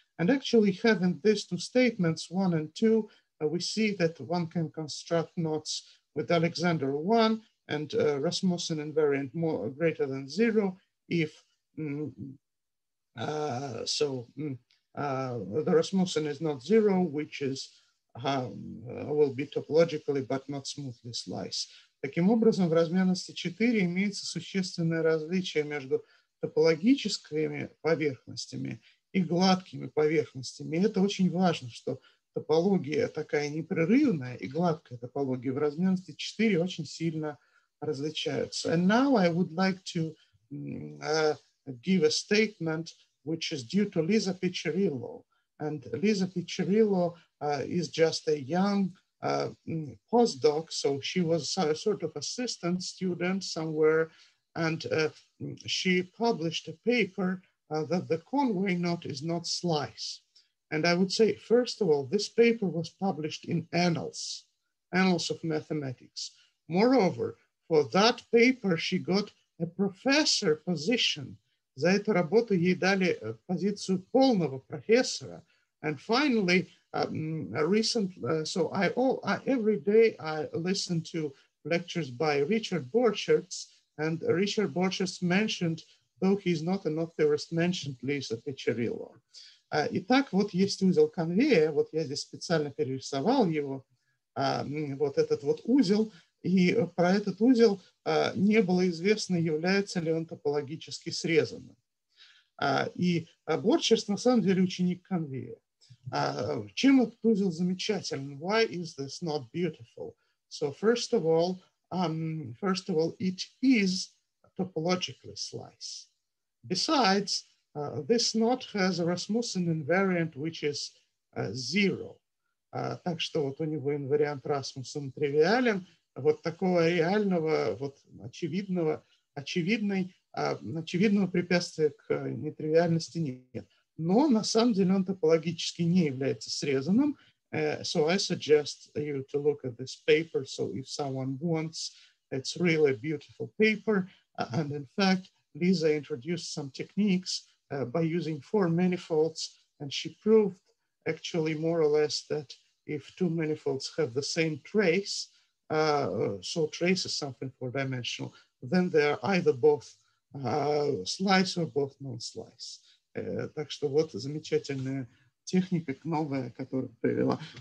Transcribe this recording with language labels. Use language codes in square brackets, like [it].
[en] And actually having these two statements, one and two, we see that one can construct knots with Alexander one and Rasmussen invariant more or greater than zero if the Rasmussen is not zero, which is will be topologically but not smoothly sliced. [ru] Таким образом, в размерности 4 имеется существенное различие между топологическими поверхностями и гладкими поверхностями. И это очень важно, что топология такая непрерывная и гладкая топология в размерности 4 очень сильно различаются. [en] And now I would like to give a statement which is due to Lisa Picciarillo. And Lisa Picciarillo is just a young postdoc, so she was a sort of assistant student somewhere, and she published a paper that the Conway knot is not slice. And I would say, first of all, this paper was published in Annals of Mathematics. Moreover, for that paper, she got a professor position. [ru] За эту работу ей дали позицию полного профессора. [en] And finally, every day I listen to lectures by Richard Borchertz, and Richard Borchertz mentioned, though he's not a knot theorist, mentioned Lisa Picciarillo. [ru] Итак, вот есть узел конвея, вот я здесь специально перерисовал его, вот этот вот узел, и про этот узел не было известно, является ли он топологически срезанным. Борчерс на самом деле ученик конвея. Чем этот узел замечателен? [en] Why is this not beautiful? So first of all, it is topologically slice. Besides, this knot has a Rasmussen invariant, which is zero. [ru] Так что вот у него инвариант Rasmussen тривиален. Вот такого реального, вот очевидного препятствия к нетривиальности нет. Но на самом деле он топологически не является срезанным. [en] So I suggest you to look at this paper. So if someone wants, it's really a beautiful paper. And in fact, Lisa introduced some techniques by using four manifolds, and she proved actually more or less that if two manifolds have the same trace, so trace is something four dimensional, then they are either both slice or both non-slice. [ru] Так что вот замечательная техника новая, которую привела.